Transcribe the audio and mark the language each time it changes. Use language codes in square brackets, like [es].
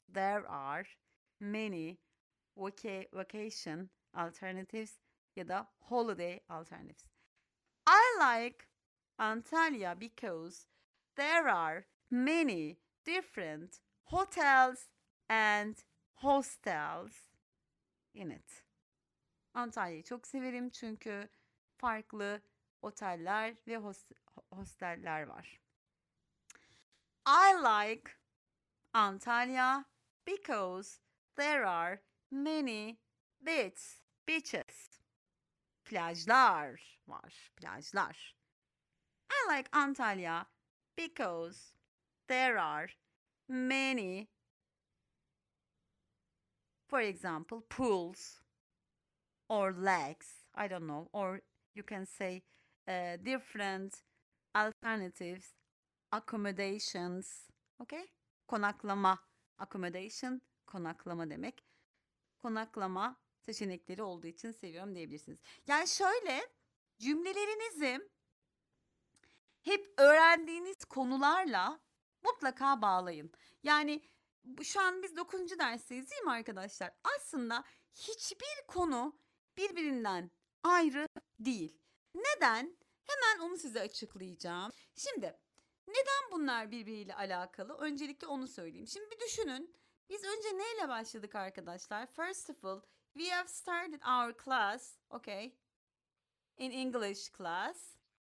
[en] There are many vacation alternatives [tr] ya da [en] holiday alternatives. I like Antalya because there are many different hotels and hostels in it. [tr] Antalya'yı çok severim çünkü farklı oteller ve hosteller var. [en] I like Antalya because there are many beaches. [tr] Plajlar var. Plajlar. [en] I like Antalya because there are many, for example, pools or lakes. I don't know. Or you can say different alternatives, accommodations. [tr] Okay? Konaklama, accommodation, konaklama demek. Konaklama seçenekleri olduğu için seviyorum diyebilirsiniz. Yani şöyle cümlelerinizi hep öğrendiğiniz konularla mutlaka bağlayın. Yani şu an biz 9. dersteyiz değil mi arkadaşlar? Aslında hiçbir konu birbirinden ayrı değil. Neden? Hemen onu size açıklayacağım. Şimdi neden bunlar birbiriyle alakalı? Öncelikle onu söyleyeyim. Şimdi bir düşünün. Biz önce neyle başladık arkadaşlar? [en] First of all, we have started our class, okay, in English class.